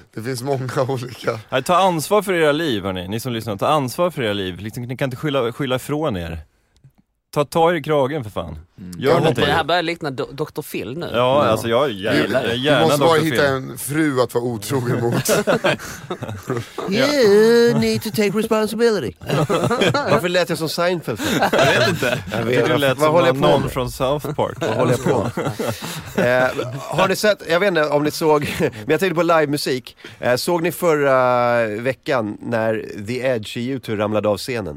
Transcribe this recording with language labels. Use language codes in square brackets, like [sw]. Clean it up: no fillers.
[sv] Det finns många olika. Nej, ta ansvar för era liv, hörni. Ni som lyssnar, ta ansvar för era liv. Liksom, ni kan inte skylla ifrån er. Ta i kragen, för fan. Gör det här börjar likna Dr. Phil nu. Ja, alltså jag gillar det. Du måste bara hitta en fru att vara otrogen mot. [en] You need to take responsibility. [sv] Varför lät jag som Seinfeld? Jag vet inte. Vad håller jag på med? Någon från South Park. Vad håller jag på? Har ni sett, jag vet inte om ni såg, men jag tänkte på livemusik. Såg ni förra veckan när The Edge i YouTube ramlade av scenen?